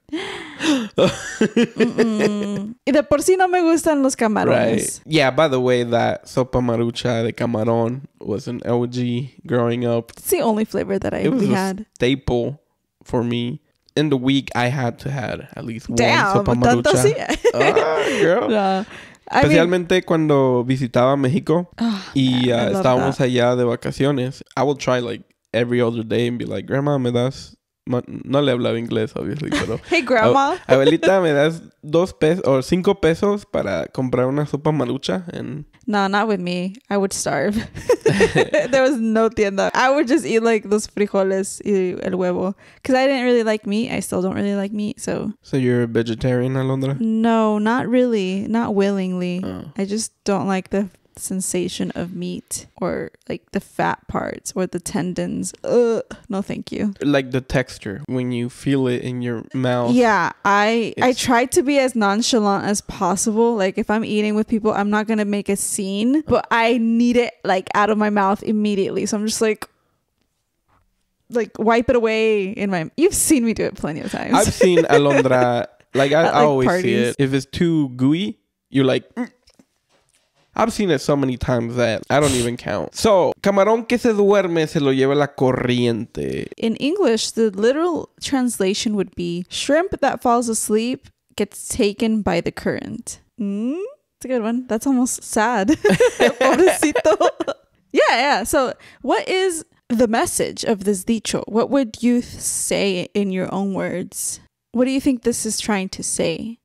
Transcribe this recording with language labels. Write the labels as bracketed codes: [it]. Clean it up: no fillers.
[es] Y de por sí no me gustan los camarones. [en] Right. Yeah, by the way, that sopa marucha de camarón was an OG growing up. It's the only flavor that I really had. It was a staple for me. In the week, I had to have at least Damn, one sopa marucha. [es] tanto sí. [en] Ah, girl. Yeah. [es] Especialmente [en] mean, [es] cuando visitaba México estábamos [en] that. [es] Allá de vacaciones. [en] I would try like every other day and be like, Grandma, [es] me das... No le hablaba inglés, [en] obviously, [es] pero... [en] Hey, grandma. [es] Abuelita, ¿me das $5 para comprar una sopa marucha? [en] No, not with me. I would starve. There was no tienda. I would just eat, like, [es] los frijoles y el huevo. [en] Because I didn't really like meat. I still don't really like meat, so... So you're a vegetarian, Alondra? No, not really. Not willingly. Oh. I just don't like the sensation of meat or like the fat parts or the tendons. No thank you. Like the texture when you feel it in your mouth. Yeah, I try to be as nonchalant as possible. Like if I'm eating with people, I'm not gonna make a scene, but I need it like out of my mouth immediately. So I'm just like wipe it away in my... You've seen me do it plenty of times. I've seen Alondra like I always parties. See it. If it's too gooey, you're like... I've seen it so many times that I don't even count. [es] So, camarón que se duerme se lo lleva la corriente. [en] In English, the literal translation would be shrimp that falls asleep gets taken by the current. That's a good one. That's almost sad. Pobrecito. Yeah, yeah. So, what is the message of this dicho? What would you say in your own words? What do you think this is trying to say?